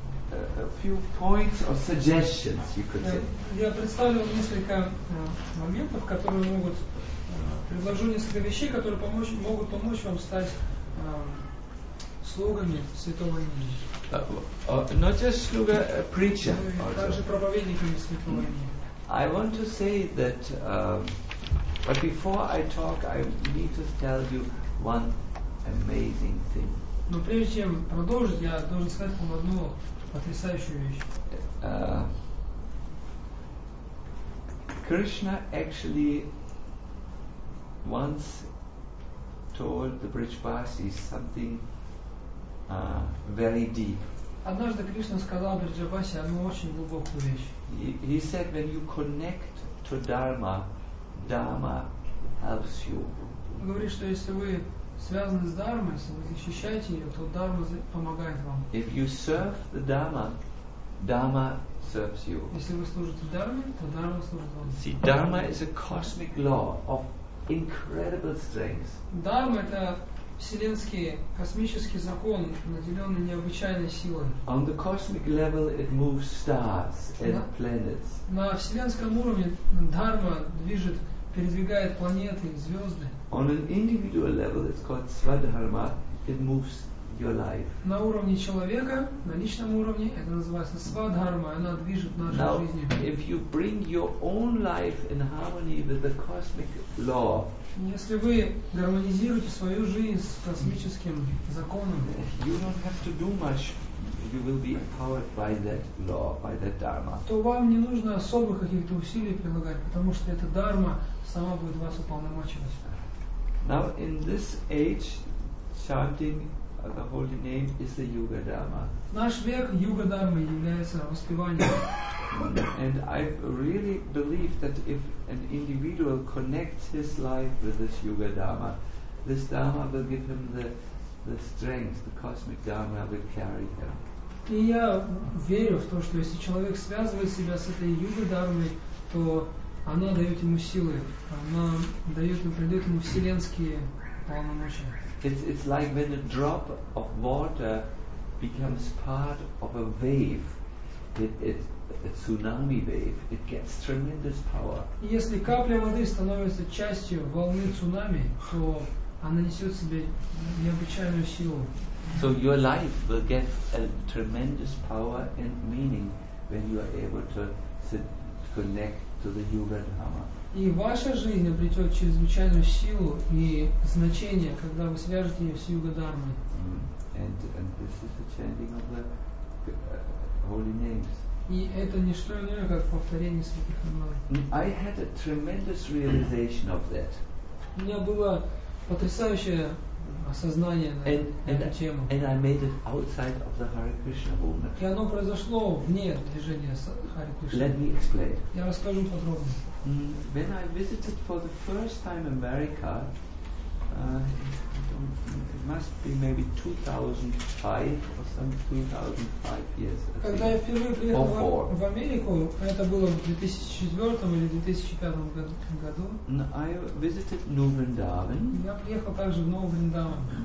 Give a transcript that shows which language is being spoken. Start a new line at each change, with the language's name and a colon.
English: A few points or suggestions, you could say.
Russian: Я представлю несколько моментов, которые могут. Предложу несколько вещей, которые могут помочь вам стать слугами святого имени.
English: Not just slugas, preacher.
Russian: Также проповедниками святого имени.
English: I want to say that, but before I talk, I need to tell you one amazing thing.
Russian: Но прежде чем продолжить, я должен сказать вам одну потрясающую вещь.
English: Krishna actually once told the Brijbasis something very deep.
Russian: Однажды Кришна сказал Бриджабасе одну очень глубокую вещь.
English: He said, when you connect to Dharma, Dharma helps you.
Russian: Говорит, что если вы связаны с Дхармой, если вы защищаете ее, то Дхарма помогает вам.
English: If you serve the Dharma, Dharma serves you.
Russian: Если вы служите Дхарме, то Дхарма служит вам.
English: See, Dharma is a cosmic law of incredible strength.
Russian: Дхарма — это вселенский космический закон, наделенный необычайной силой.
English: On the cosmic level, it moves stars and planets.
Russian: На вселенском уровне Дхарма движет, передвигает планеты, звезды.
English: On an individual level, it's called Swadharma. It moves your life.
Russian: На уровне человека, на личном уровне, это называется свадхарма, она движет нашу жизнь.
English: Now, if you bring your own life in harmony with the cosmic law,
Russian: если вы гармонизируете свою жизнь с космическим законом,
English: you don't have to do much. You will be empowered by that law, by that dharma.
Russian: То вам не нужно особых каких-то усилий прилагать, потому что эта дхарма сама будет вас уполномочивать.
English: Now in this age, chanting the holy name is the yuga dharma.
Russian: Наш век юга дхармы является воспеванием.
English: And I really believe that if an individual connects his life with this yuga dharma, this dharma will give him the strength, the cosmic dharma will carry him.
Russian: И я верю в то, что если человек связывает себя с этой юга-дармой, то она дает ему силы, она дает, придает ему вселенские полномочия.
English: It's like when a drop of water becomes part of a wave, a tsunami wave, it gets tremendous power.
Russian: Если капля воды становится частью волны цунами, то она несет в себе необычайную силу.
English: So your life will get a tremendous power and meaning when you are able to connect to the yuga dharma.
Russian: И ваша жизнь обретет чрезвычайную силу и значение, когда вы свяжете ее с юга дхармой.
English: And this is the chanting of the holy names.
Russian: И это не что иное, как повторение святых имен.
English: I had a tremendous realization of that.
Russian: У меня было потрясающее осознание на эту тему.
English: And I made it outside of the Hare Krishna movement.
Russian: И оно произошло вне движения Hare Krishna.
English: Let me explain.
Russian: Я расскажу подробно.
English: When I visited for the first time America, it must be maybe 2005 or some 2005 years.
Russian: Когда я впервые приехал в Америку, это было в 2004 или 2005 году.
English: I visited New Vrindavan.
Russian: Я приехал также в Новый Вриндаван.